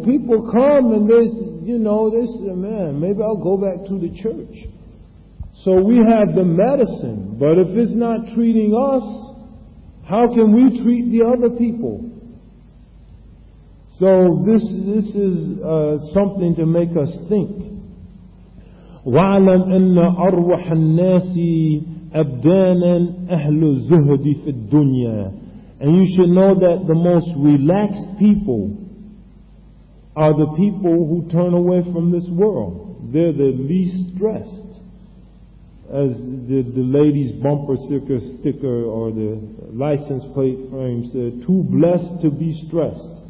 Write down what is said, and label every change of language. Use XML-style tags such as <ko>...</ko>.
<en>People come and they, you know, they say, man, maybe I'll go back to the church. So we have the medicine, but if it's not treating us, how can we treat the other people? So this is something to make us think.</en> <ar>وَعَلَمْ أَنَّ أَرْوَحَ النَّاسِ أَبْدَانًا أَهْلُ الزُّهْدِ فِي الدُّنْيَا.</ar> <en>And you should know that the most relaxed people are the people who turn away from this world. They're the least stressed. As the lady's bumper sticker or the license plate frame said, too blessed to be stressed.</en>